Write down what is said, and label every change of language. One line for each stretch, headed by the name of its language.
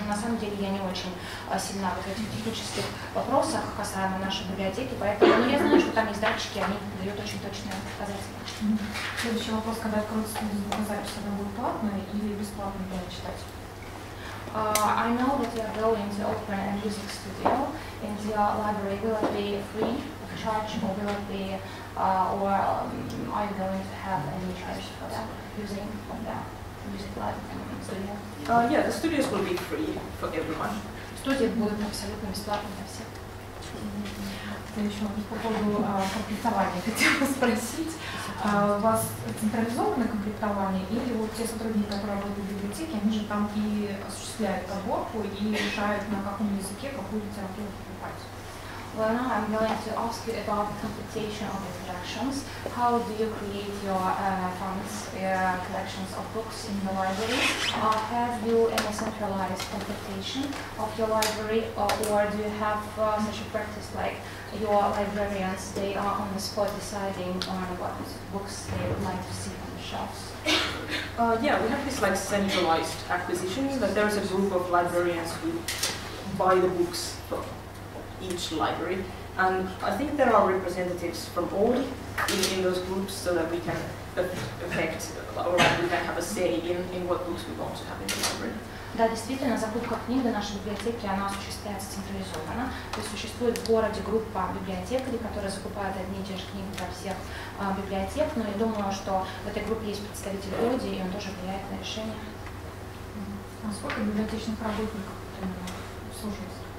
Russian: Но на самом деле я не очень сильна в этих технических вопросах касаемо нашей библиотеки, поэтому я знаю, что там есть датчики, они дают очень точные показатели. Следующий вопрос, когда конкурсная запись, она будет платная или бесплатная для читателей?
English: I know that you are going to open a music studio in your library. Will it be free of charge, or will it be, are you going to have any charge for that using of that music library studio? The studios will be free for everyone.
Russian: Студии будут абсолютно бесплатные для всех. Еще по поводу комплектования хотела спросить. У вас централизованное комплектование или вот те сотрудники, которые работают в библиотеке, они же там и осуществляют подборку и решают, на каком языке какую литературу покупать?
English: Well, now I'm going to ask you about the computation of the collections. How do you create your funds, collections of books in the library? Have you any centralized computation of your library, or do you have such a practice like your librarians, they are on the spot deciding on what books they would like to see on the shelves? We have this like centralized acquisition, but there is a group of librarians who buy the books each library, and I think there are representatives from Oodi in those groups so that we can affect, or we can have a say in what books we want to have in the library.
Russian: Да, действительно, закупка книг в нашей библиотеке, она осуществляется централизованно. То есть существует в городе группа библиотекарей, которые закупают одни и те же книги для всех библиотек, но я думаю, что в этой группе есть представитель Oodi, и он тоже влияет на решение. А сколько библиотечных работников служит?